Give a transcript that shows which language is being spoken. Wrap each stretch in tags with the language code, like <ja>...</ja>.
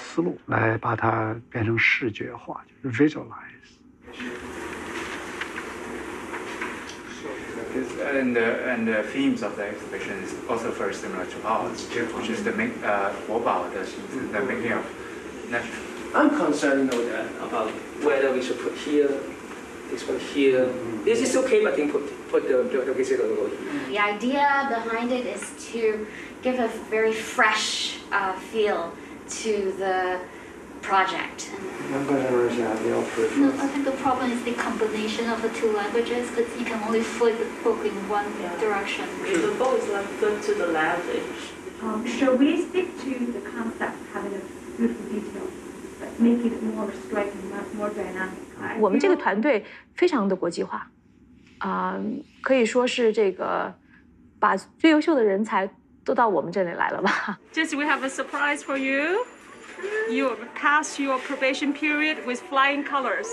<zh>我最重要的就是展览研究，所以我们这个会有策展人的这个领班和策展的好坏，研究水平的高低，还有未来的收藏是什么样的，我要负很大责任。设计部是密切合作，设计部是要按照策展人研究员的思路来把它变成视觉化，就是 visualize。</zh> <en>And the themes of the exhibition is also very similar to ours, which is the making of natural. I'm concerned, though, that about whether we should put here, this one here. Is this okay, but then put the visitor logo here? The idea behind it is to give a very fresh feel to the project. I think the problem is the combination of the two languages, because you can only flip the book in one direction. The book is like good to the language. Shall we stick to the concept, having a beautiful detail, but make it more striking, more dynamic?</en> <zh>我们这个团队非常的国际化。可以说是这个把最优秀的人才都到我们这里来了吧。</zh> <en>Jesse, we have a surprise for you. You passed your probation period with flying colors.</en>